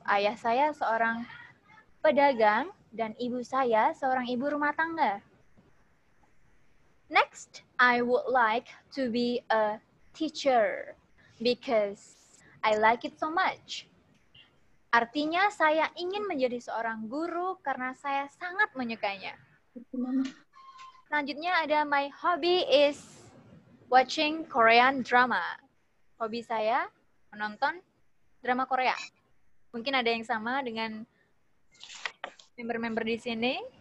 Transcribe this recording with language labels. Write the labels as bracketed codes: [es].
[id] Ayah saya seorang pedagang dan ibu saya seorang ibu rumah tangga. [en] Next, I would like to be a teacher because I like it so much. [id] Artinya, saya ingin menjadi seorang guru karena saya sangat menyukainya. Selanjutnya ada [en] my hobby is watching Korean drama. [id] Hobi saya menonton drama Korea. Mungkin ada yang sama dengan member-member di sini.